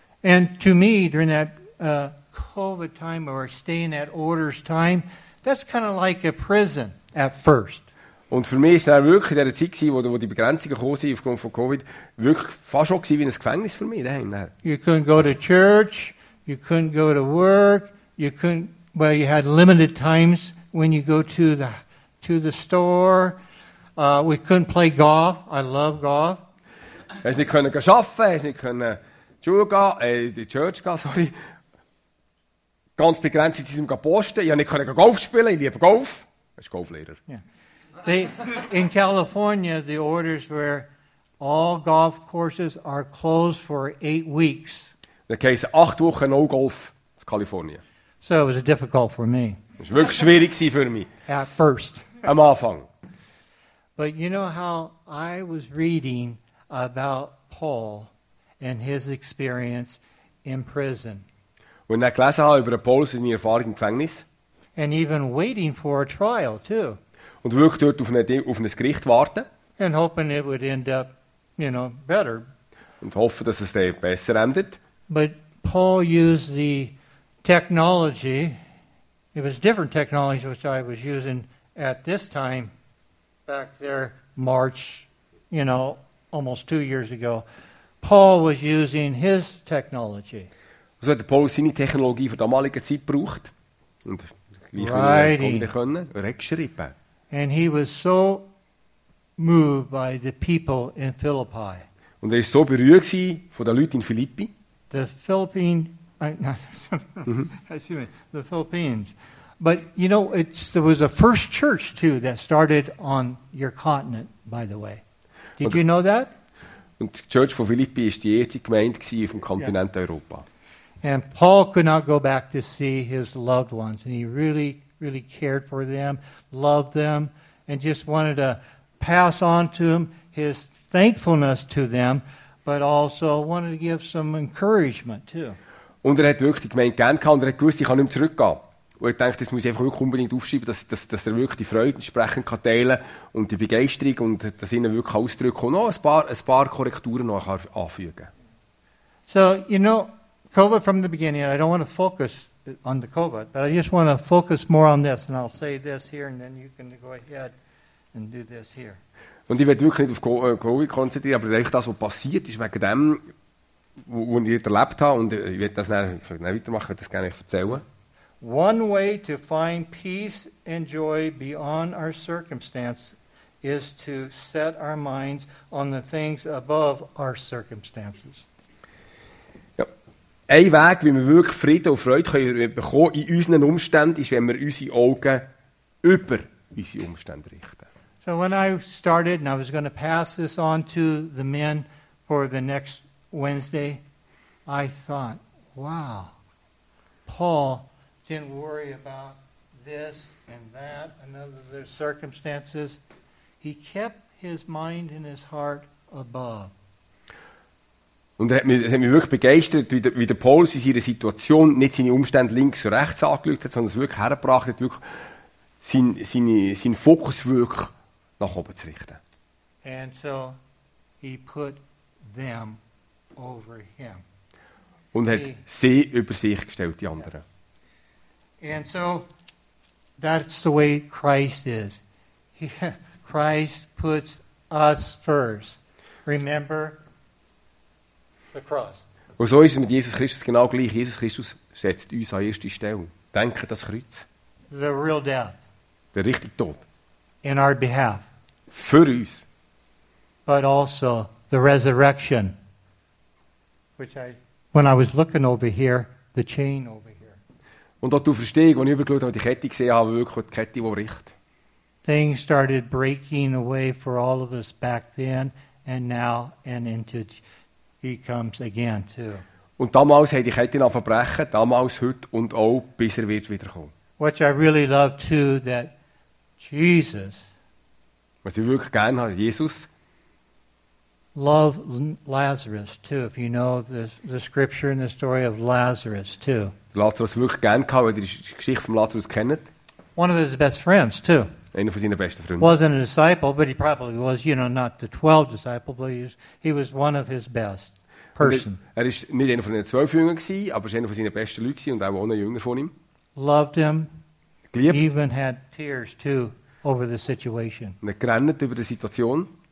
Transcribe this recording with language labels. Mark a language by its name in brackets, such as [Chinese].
[English] And to me, during that COVID time or staying at orders time, that's kind of like a prison at first. [German] Und für mich ist es wirklich in der Zeit gewesen, wo die Begrenzungen gekommen sind aufgrund von Covid, wirklich fast schon gewesen wie ein Gefängnis für mich. [English] You couldn't go to church, you couldn't go to work, you couldn't, well, you had limited times when you go to the store. We couldn't play golf. I love golf. [German] Hast nicht können arbeiten, hast nicht können die Church gehen. Ganz begrenzt in diesem Posten. Ich kann nicht Golf spielen, ich liebe Golf. Er ist Golflehrer. [English] Yeah. In California, the orders were all golf courses are closed for 8 weeks. [German] Da heisst 8 Wochen no Golf in Kalifornien. [English] So it was difficult for me. [German] Es war wirklich schwierig für mich. [English] At first. [German] Am Anfang. [English] But you know how I was reading about Paul and his experience in prison. [German] Und dann gelesen habe über Paulus seine Erfahrung im Gefängnis. [English] And even waiting for a trial too. [German] Und wirklich dort auf ein Gericht warten. [English] And hoping it would end up, you know, better. [German] Und hoffen, dass es dann besser endet. [English] But Paul used the technology. It was different technology which I was using at this time back there, March, you know, almost 2 years ago. Paul was using his technology. [German] So hat Paul seine Technologie für die damalige Zeit gebraucht. Und wie konnte er rechtschreiben. [English] And he was so moved by the people in Philippi. [German] Und er war so berührt von den Leuten in Philippi. [English] The Philippines. But you know, there was a first church too that started on your continent, by the way. Did you know that? [German] Und die Church von Philippi war die erste Gemeinde auf dem Kontinent Europa. [English] And Paul could not go back to see his loved ones. And he really, really cared for them, loved them, and just wanted to pass on to them his thankfulness to them, but also wanted to give some encouragement too. [German] Und er hat wirklich die Gemeinde gerne gehabt und er hat gewusst, ich kann nicht mehr zurückgehen. Und er dachte, das muss ich einfach wirklich unbedingt aufschreiben, dass er wirklich die Freude entsprechend kann teilen kann und die Begeisterung und das innen wirklich ausdrücken und noch ein paar Korrekturen noch anfügen. [English] So, you know, COVID from the beginning, I don't want to focus on the COVID, but I just want to focus more on this and I'll say this here and then you can go ahead and do this here. [German] Und ich werde wirklich nicht auf COVID konzentrieren, aber eigentlich das, was passiert ist, wegen dem, was ich erlebt habe, und ich werde das dann weitermachen, ich das gerne erzählen. [English] One way to find peace and joy beyond our circumstance is to set our minds on the things above our circumstances. [German] Ja. Ein Weg, wie wir wirklich Frieden und Freude können bekommen in unseren Umständen, ist, wenn wir unsere Augen über unsere Umstände richten. [English] So when I started and I was going to pass this on to the men for the next Wednesday, I thought, wow, Paul didn't worry about this and that and other circumstances. He kept his mind and his heart above. [German] Und er hat mich wirklich begeistert, wie der Paul in seiner Situation nicht seine Umstände links und rechts angeschaut hat, sondern es wirklich hergebracht hat, wirklich sein Fokus wirklich nach oben zu richten. [English] And so he put them over him. [German] Und hat sie über sich gestellt, die anderen. [English] And so that's the way Christ is. Christ puts us first. Remember the cross. [German] Und so ist es mit Jesus Christus genau gleich. Jesus Christus setzt uns an erste Stelle. Denke das Kreuz. [English] The real death. [German] Der richtige Tod. [English] In our behalf. [German] Für uns. [English] But also the resurrection. When I was looking over here, the chain over here. [German] Und auch die Auferstehung, als ich übergeschaut habe, die Kette gesehen habe, wirklich die Kette, die bricht. [English] Things started breaking away for all of us back then and now and into he comes again too. [German] Und damals haben die Kette angefangen zu brechen, damals, heute und auch, bis er wird wiederkommen. [English] Which I really love too, that Jesus, [German] was ich wirklich gerne habe, Jesus. [English] Love Lazarus too, if you know the scripture and the story of Lazarus too. [German] Lazarus wirklich gerne gehabt, weil ihr die Geschichte von Lazarus kennt. [English] One of his best friends too. [German] Einer von seinen besten Freunden. [English] Wasn't a disciple, but he probably was, you know, not the 12 disciples, but he was one of his best person. [German] Er ist nicht einer von den 12 Jüngern gewesen, aber einer von seinen besten Leuten und auch einer Jünger von ihm. [English] Loved him. [German] Geliebt. [English] Even had tears too. Over the situation. [German] Und er gerannt über die Situation.